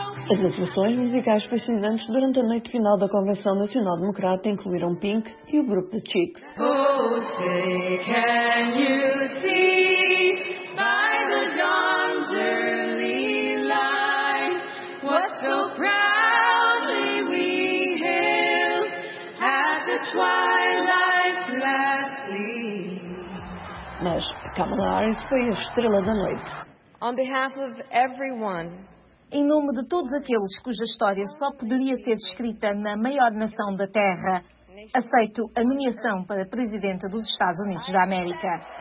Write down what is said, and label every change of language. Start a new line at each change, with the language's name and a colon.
Portuguese: As atuações musicais fascinantes durante a noite final da Convenção Nacional Democrata incluíram Pink e o grupo The Chicks.
English: Oh, say can you see by the dawn's early light what so proudly we hail at the twilight's last gleam.
Portuguese: Mas Kamala Harris foi a estrela da noite.
English: On behalf of everyone,
Portuguese: em nome de todos aqueles cuja história só poderia ser escrita na maior nação da Terra, aceito a nomeação para Presidenta dos Estados Unidos da América.